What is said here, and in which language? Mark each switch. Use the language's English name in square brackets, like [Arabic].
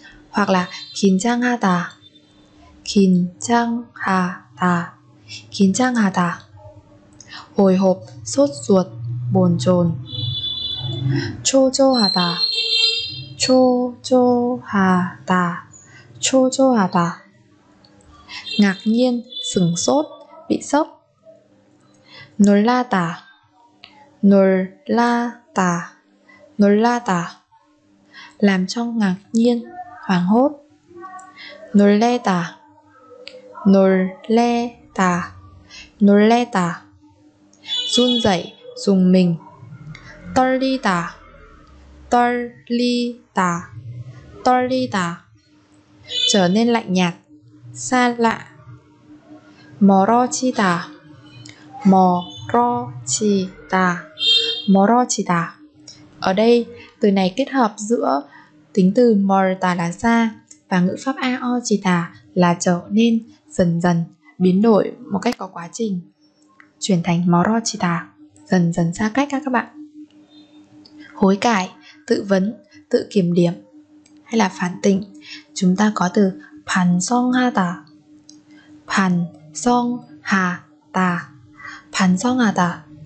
[Vietnamese] Hoặc là [Korean] 긴장하다 긴장하다 긴장하다. [Vietnamese] Hồi hộp, sốt ruột, bồn chồn. [Korean] 초조하다 초조하다 초조하다. [Vietnamese] Ngạc nhiên, sửng sốt, bị sốc. [Korean] 놀라다 놀라다 놀라다. [Vietnamese] Làm cho ngạc nhiên, hoảng hốt. [Korean] 놀래다 놀래다 놀래다. [Vietnamese] Run rẩy, rùng mình. [Korean] 떨리다 떨리다 떨리다. [Vietnamese] Trở nên lạnh nhạt, xa lạ. [Korean] 멀어지다 멀어지다 멀어지다. [Vietnamese] Ở đây từ này kết hợp giữa tính từ 멀다 là xa và ngữ pháp 아오지다 là trở nên, dần dần biến đổi một cách có quá trình, chuyển thành 멀어지다, dần dần xa cách các bạn. Hối cải, tự vấn, tự kiểm điểm hay là phản tỉnh, chúng ta có từ 반성하다 반 song hà ta, phản song hà ta.